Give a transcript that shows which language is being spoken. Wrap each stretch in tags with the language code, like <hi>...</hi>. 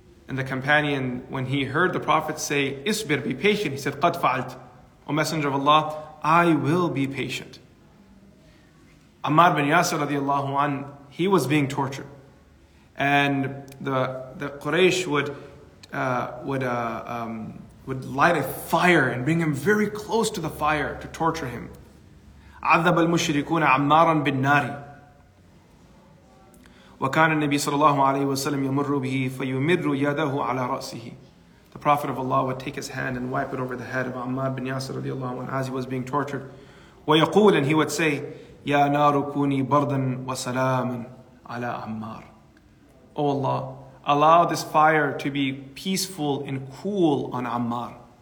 <en>And the companion, when he heard the Prophet say, "Isbir, be patient," he said, "Qad fa'alt, O Messenger of Allah, I will be patient." Ammar bin Yasir radiallahu an, he was being tortured. And the Quraysh would light a fire and bring him very close to the fire to torture him.</en> <ar>عذب المشركون عمارا بالنار وكان النبي صلى الله عليه وسلم يمر به فيمر يده على رأسه.</ar> <en>The Prophet of Allah would take his hand and wipe it over the head of Ammar bin Yasir رضي الله عنه as he was being tortured.</en> <ar>ويقول,</ar> <en>and he would say,</en> <ar>يا نار كوني بردا وسلاما على عمار.</ar> <en>O Allah, allow this fire to be peaceful and cool on Ammar.</en>